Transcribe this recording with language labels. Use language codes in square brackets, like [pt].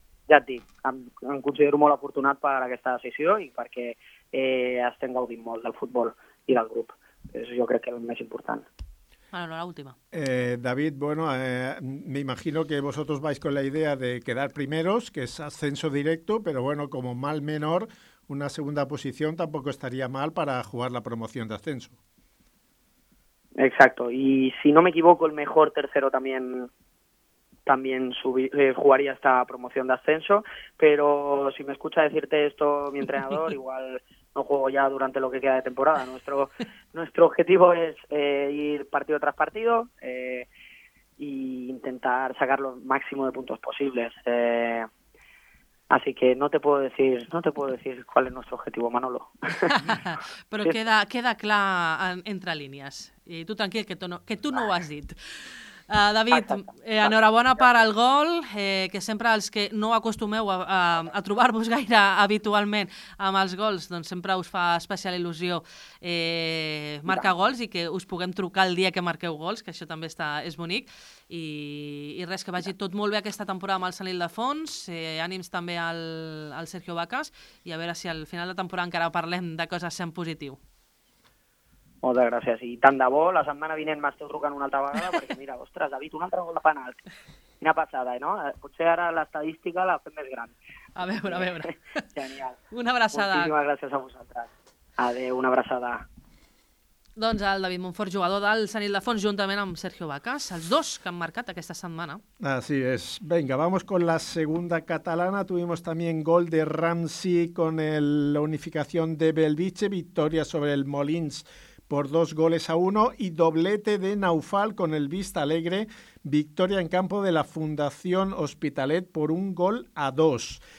[ca] Ja et dic, em considero molt afortunat per aquesta decisió i perquè estem gaudint molt del futbol i del grup. Això jo crec que és el més important. [es] Bueno, no, la última. David, bueno, me imagino que vosotros vais con la idea de quedar primeros, que es ascenso directo, pero bueno, como mal menor, una segunda posición tampoco estaría mal para jugar la promoción de ascenso. Exacto, y si no me equivoco, el mejor tercero también también jugaría esta promoción de ascenso, pero si me escucha decirte esto mi entrenador, igual no juego ya durante lo que queda de temporada. Nuestro objetivo es ir partido tras partido e intentar sacar lo máximo de puntos posibles. Así que no te puedo decir cuál es nuestro objetivo, Manolo. [ca] Pero queda clar entre línies. I tu tranquil, que tu no ho has dit. David, enhorabona per el gol, que sempre els que no acostumeu a trobar-vos gaire habitualment amb els gols, doncs sempre us fa especial il·lusió marcar gols i que us puguem trucar el dia que marqueu gols, que això també és bonic. I res, que vagi tot molt bé aquesta temporada amb el Sant Ildefons, ànims també al Sergio Vacas, i a veure si al final de temporada encara parlem de coses sent positiu. Moltes gràcies. I tant de bo, la setmana vinent m'esteu trucant una altra vegada, perquè mira, ostres, David, un altre gol de penalt. Quina passada, no? Potser ara l'estadística la fem més gran. A veure. Genial. Una abraçada. Moltíssimes gràcies a vosaltres. Adéu, una abraçada. Doncs el David Montfort, jugador del Sant Ildefons, juntament amb Sergio Vacas, els dos que han marcat aquesta setmana. [es] Así es. Venga, vamos con la segunda catalana. Tuvimos también gol de Ramsey con la unificación de Belviche, victoria sobre el Molins por 2-1, y doblete de Naufal con el Vista Alegre, victoria en campo de la Fundación Hospitalet por 1-2.